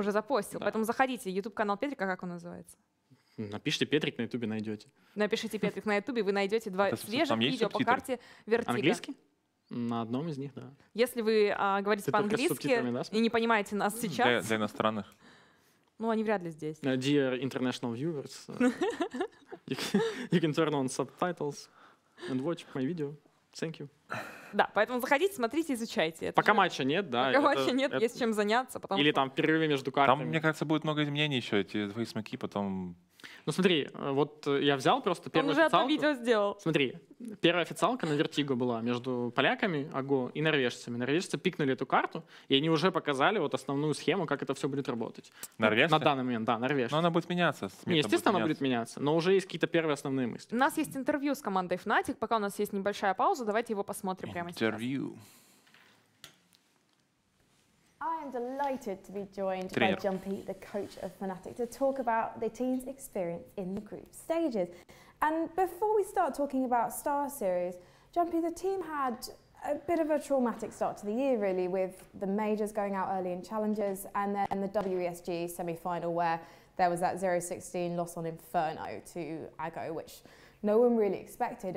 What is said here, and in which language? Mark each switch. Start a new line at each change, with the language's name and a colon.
Russian: Уже запостил, поэтому заходите. YouTube-канал Петрика, как он называется? Напишите Петрик на Ютубе, найдете. Напишите Петрик на Ютубе, вы найдете 2 свежих видео по карте Вертика. Английский? На одном из них, да. Если вы говорите ты по-английски, да, и не понимаете нас сейчас. Для иностранных. Ну, они вряд ли здесь.
English: Dear international viewers, you can turn on subtitles and watch my video. Thank you.
Russian: Да, поэтому заходите, смотрите, изучайте. Это пока же... матча нет, да. Пока матча нет, это... есть чем заняться. Потом... Или там в перерыве между картами. Там, мне кажется, будет много изменений еще, эти фейсмаки потом... Ну смотри, вот я взял просто первую официалку. Он уже это видео сделал. Смотри, первая официалка на Vertigo была между поляками, Аго, и норвежцами. Норвежцы пикнули эту карту, и они уже показали вот основную схему, как это все будет работать. Норвежцы? На данный момент, да, норвежцы. Но она будет меняться. Не, естественно, будет меняться. Она будет меняться, но уже есть какие-то первые основные мысли. У нас есть интервью с командой Fnatic, пока у нас есть небольшая пауза, давайте его посмотрим прямо сейчас. Интервью.
English: I am delighted to be joined by Jumpy, the coach of Fnatic, to talk about the team's experience in the group stages. And before we start talking about Star Series, Jumpy, the team had a bit of a traumatic start to the year, really, with the majors going out early in challenges and then the WESG semi-final where there was that 0-16 loss on Inferno to Aggo, which no one really expected.